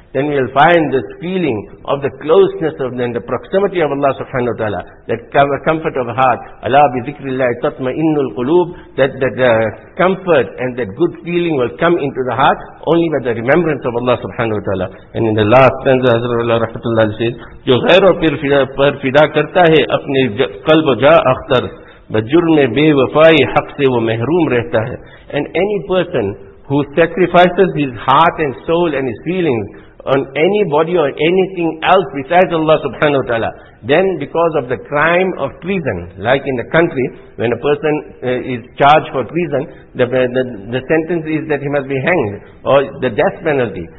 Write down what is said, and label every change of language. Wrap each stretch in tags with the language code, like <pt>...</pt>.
<en>Then we will find this feeling of the closeness of and the proximity of Allah subhanahu wa ta'ala, that comfort of heart,</en> <ar>ala bi dhikrillahi tatma'innul qulub,</ar> <en>that comfort and that good feeling will come into the heart only by the remembrance of Allah subhanahu wa ta'ala. And in the last stanza, Hazrat Allah rahmatullah says,</en> <ur>جو غیروں پر فدا کرتا ہے اپنے قلب جا اختر بجرم بے وفائی حق سے وہ محروم رہتا ہے.</ur> <en>And any person who sacrifices his heart and soul and his feelings on anybody or anything else besides Allah subhanahu wa ta'ala, then because of the crime of treason, like in the country, when a person is charged for treason, the sentence is that he must be hanged or the death penalty.</en>